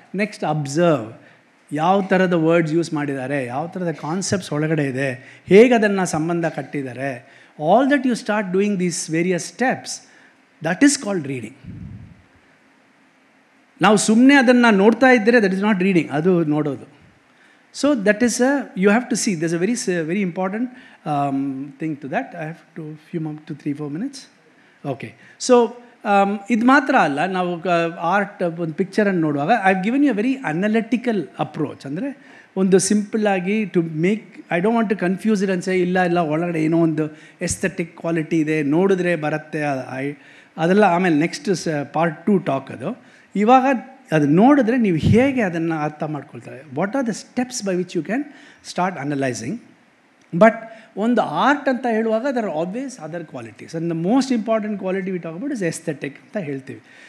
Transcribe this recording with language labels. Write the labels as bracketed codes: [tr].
[kn] Next observe, ಯಾವ ಥರದ words use ಮಾಡಿದ್ದಾರೆ, ಯಾವ ಥರದ ಕಾನ್ಸೆಪ್ಟ್ಸ್ ಒಳಗಡೆ ಇದೆ, ಹೇಗೆ ಅದನ್ನು ಸಂಬಂಧ ಕಟ್ಟಿದ್ದಾರೆ. [en] All that you start doing these various steps, that is called reading. [kn] ನಾವು ಸುಮ್ಮನೆ ಅದನ್ನು ನೋಡ್ತಾ ಇದ್ದರೆ [en] that is not reading, [kn] ಅದು ನೋಡೋದು. [en] So that is a, you have to see, there's a very very important thing to that. I have to few more, 2-3-4 minutes. Okay, so [kn] id matra alla [en] now art one picture and nodvaga, I've given you a very analytical approach [kn] andre ondu simple agi [en] to make, I don't want to confuse it and say [kn] illa illa olagade eno ondu aesthetic quality ide nodidre baruthe ಅದೆಲ್ಲ ಆಮೇಲೆ [en] next part to talk [kn] ಅದು. ಇವಾಗ ಅದು ನೋಡಿದ್ರೆ ನೀವು ಹೇಗೆ ಅದನ್ನು ಅರ್ಥ ಮಾಡ್ಕೊಳ್ತಾರೆ, [en] What are the steps by which you can start analysing. [kn] But ಒಂದು ಆರ್ಟ್ ಅಂತ ಹೇಳುವಾಗ [en] there are obvious other qualities, and the most important quality we talk about is aesthetic [kn] ಅಂತ ಹೇಳ್ತೀವಿ.